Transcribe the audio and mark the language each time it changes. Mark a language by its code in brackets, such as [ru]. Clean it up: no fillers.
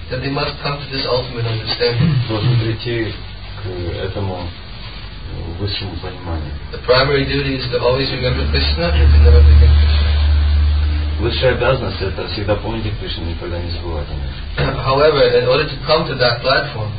[en] That they must come to this ultimate understanding. [ru] Должен прийти к этому. [en] The primary duty is to always remember Krishna and to never forget Krishna. [ru] Высшая обязанность это всегда помнить Кришну, никогда не забывать о нем. [en] However, in order to come to that platform,